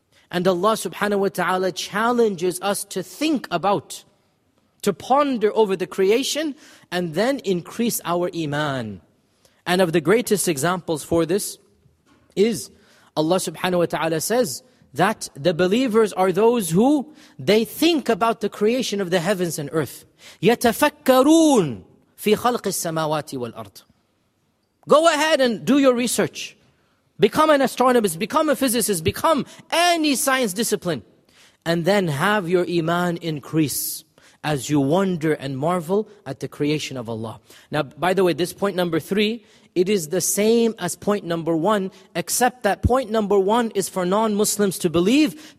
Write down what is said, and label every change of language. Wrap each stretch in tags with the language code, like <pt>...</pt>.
<en>And Allah subhanahu wa ta'ala challenges us to think about, to ponder over the creation, and then increase our iman. And of the greatest examples for this is, Allah subhanahu wa ta'ala says that the believers are those who, they think about the creation of the heavens and earth.</en> <ar>يتفكرون في خلق السماوات والأرض.</ar> <en>Go ahead and do your research. Become an astronomer, become a physicist, become any science discipline. And then have your iman increase. as you wonder and marvel at the creation of Allah. Now, by the way, this point number three, it is the same as point number one, except that point number one is for non-Muslims to believe.</en>